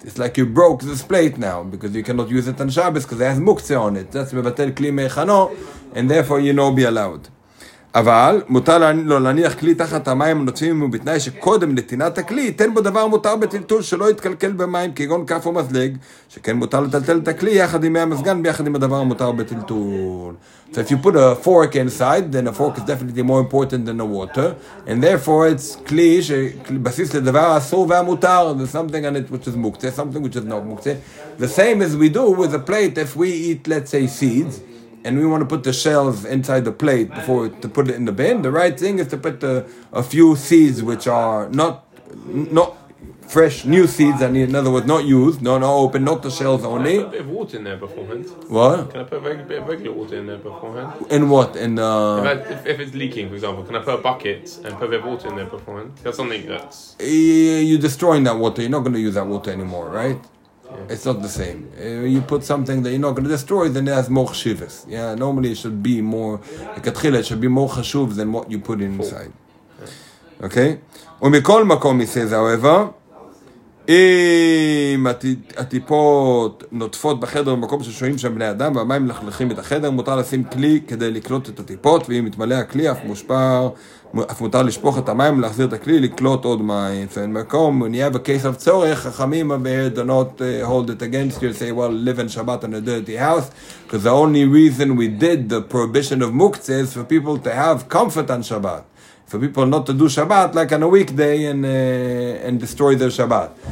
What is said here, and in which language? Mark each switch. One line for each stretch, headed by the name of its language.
English: It's like you broke this plate now, because you cannot use it on Shabbos, because it has mukze on it. That's
Hebrew: מבטל כלי מי חנו,
English: and therefore you know be allowed.
Hebrew: אבל מותר לו להניח כלי תחת המים הנוצבים ובתנאי שקודם נתינת הכלי ייתן בו דבר מותר בטלטול שלא יתקלקל במים כגון כף או מזלג שכן מותר לטלטל את הכלי יחד עם המזגן ביחד עם הדבר המותר בטלטול.
English: So if you put a fork inside, then a fork is definitely more important than the water, and therefore it's
Hebrew: כלי שבסיס לדבר אסור והמותר.
English: There's something on it which is מוקצה, something which is not מוקצה. The same as we do with a plate if we eat, let's say, seeds, and we want to put the shells inside the plate before to put it in the bin, the right thing is to put a few seeds which are not fresh, new seeds, and in other words, not used, not open, not the shells only. Can I put a bit of water in there beforehand? What? Can I put a bit of regular water in there beforehand? In what? In if it's leaking, for example, can I put a bucket and put a bit of water in there beforehand? That's something that's... You're destroying that water, you're not going to use that water anymore, right? Yeah. It's not the same. You put something that you're not going to destroy, then it has more chashivus. Yeah, normally it should be more, it should be more chashuv than what you put inside. Okay?
Hebrew: ומכל מקום,
English: he says, however,
Hebrew: אם הטיפות נוטפות בחדר במקום ששוהים שם בני אדם והמים מלכלכים את החדר, מותר לשים כלי כדי לקלוט את הטיפות, ואם מתמלא הכלי, אף מותר לשפוך את המים ולהחזיר את הכלי לקלוט עוד מים.
English: So in מקום, when you have a case of צורך, חכמים do not hold it against you and say, well, live in Shabbat in a dirty house, because the only reason we did the prohibition of mukzeh is for people to have comfort on Shabbat. For people not to do Shabbat like on a weekday and destroy their Shabbat.